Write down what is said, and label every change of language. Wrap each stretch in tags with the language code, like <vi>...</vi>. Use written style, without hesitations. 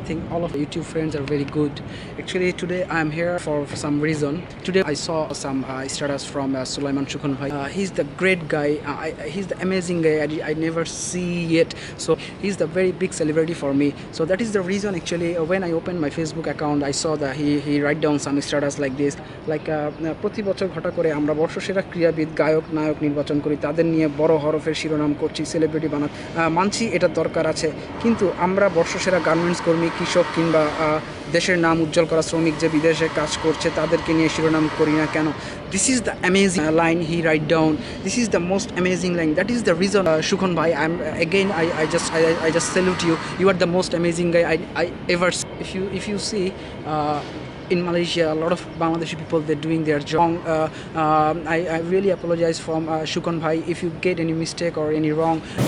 <en>I think all of our YouTube friends are very good. Actually, today I am here for some reason. Today I saw some status from Sulaiman Shukhon bhai. He's the great guy. He's the amazing guy I never see yet. So he's the very big celebrity for me. So that is the reason actually when I opened my Facebook account, I saw that he write down some status like this.</en> <bn>Like প্রতি বছর ঘটা করে আমরা বর্ষসেরা ক্রীড়াবিদ গায়ক নায়ক নির্বাচন করি তাদের নিয়ে বড় হরফের শিরোনাম করছি সেলিব্রিটি বানাত মানছি এটা দরকার আছে কিন্তু আমরা বর্ষসেরা গার্মেন্টস কর্মী কৃষক কিংবা দেশের নাম উজ্জ্বল করা শ্রমিক যে বিদেশে কাজ করছে তাদেরকে নিয়ে শিরোনাম করি না কেন</bn> <en>This is the amazing line he write down this is the most amazing line that is the reason Shukhon bhai I am again I just salute you are the most amazing guy I ever if you see In Malaysia, a lot of Bangladeshi people, they're doing their job. I really apologize from Shukhon bhai if you get any mistake or any wrong.</en>